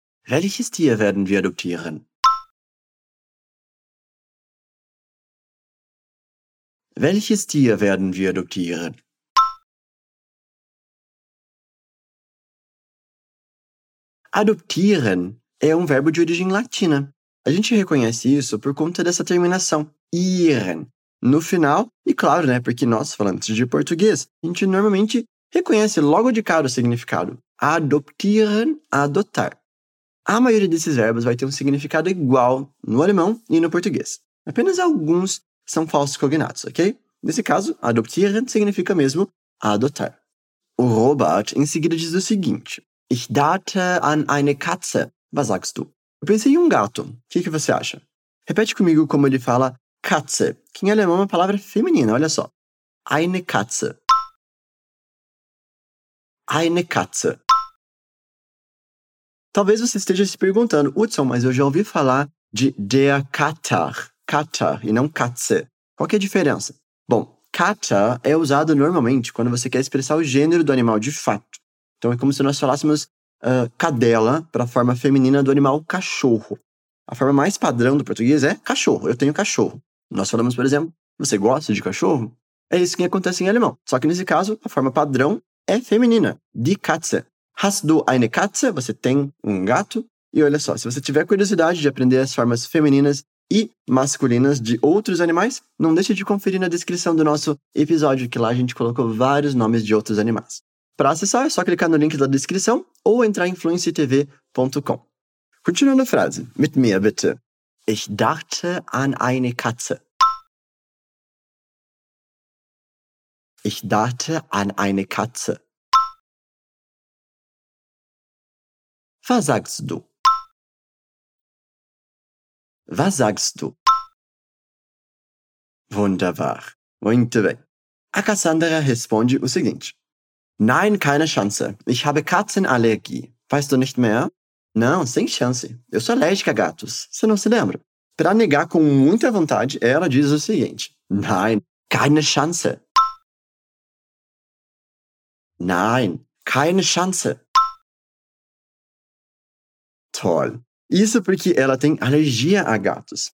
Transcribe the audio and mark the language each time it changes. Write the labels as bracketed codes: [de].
[de] Welches Tier werden wir adoptieren? Welches Tier werden wir adoptieren? [pt] Adoptieren é um verbo de origem latina. A gente reconhece isso por conta dessa terminação, ihren, no final. E claro, né, porque nós, falantes de português, a gente normalmente reconhece logo de cara o significado. Adoptieren, adotar. A maioria desses verbos vai ter um significado igual no alemão e no português. Apenas alguns são falsos cognatos, ok? Nesse caso, adoptieren significa mesmo adotar. O Robert em seguida diz o seguinte. [de] Ich dachte an eine Katze. Was sagst du? [pt] Eu pensei em um gato. O que você acha? Repete comigo como ele fala Katze, que em alemão é uma palavra feminina, olha só. [de] Eine Katze. Eine Katze. [pt] Talvez você esteja se perguntando, Hudson, mas eu já ouvi falar de der Kater, Kater, e não Katze. Qual que é a diferença? Bom, Kater é usado normalmente quando você quer expressar o gênero do animal de fato. Então é como se nós falássemos cadela para a forma feminina do animal cachorro. A forma mais padrão do português é cachorro, eu tenho cachorro. Nós falamos, por exemplo, você gosta de cachorro? É isso que acontece em alemão. Só que nesse caso, a forma padrão é feminina, die Katze. [de] Hast du eine Katze? [pt] Você tem um gato? E olha só, se você tiver curiosidade de aprender as formas femininas e masculinas de outros animais, não deixe de conferir na descrição do nosso episódio, que lá a gente colocou vários nomes de outros animais. Para acessar, é só clicar no link da descrição ou entrar em fluencytv.com. Continuando a frase, [de] mit mir bitte. Ich dachte an eine Katze. Ich dachte an eine Katze. Was sagst du? Was sagst du? Wunderbar. [pt] Muito bem. A Cassandra responde o seguinte. [de] Nein, keine Chance. Ich habe Katzenallergie. Weißt du nicht mehr? [pt] Não, sem chance. Eu sou alérgica a gatos. Você não se lembra? Para negar com muita vontade, ela diz o seguinte. [de] Nein, keine Chance. Nein, keine Chance. Toll. [pt] Isso porque ela tem alergia a gatos.